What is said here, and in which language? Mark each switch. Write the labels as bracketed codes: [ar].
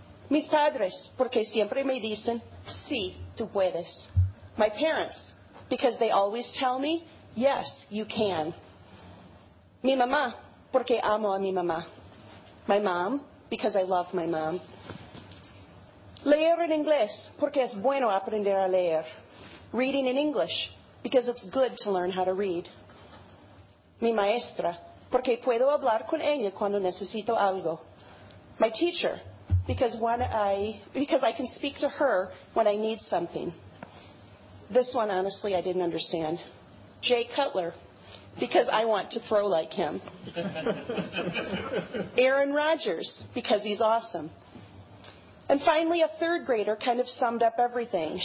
[es] Mis padres, porque siempre me dicen, sí, tú puedes. [en] My parents, because they always tell me, yes, you can. [es] Mi mamá, porque amo a mi mamá. [en] My mom, because I love my mom. [es] Leer en inglés, porque es bueno aprender a leer. [en] Reading in English, because it's good to learn how to read. [es] Mi maestra, porque puedo hablar con ella cuando necesito algo. [en] My teacher, because I can speak to her when I need something. This one, honestly, I didn't understand. Jay Cutler, because I want to throw like him. Aaron Rodgers, because he's awesome. And finally, a third grader kind of summed up everything.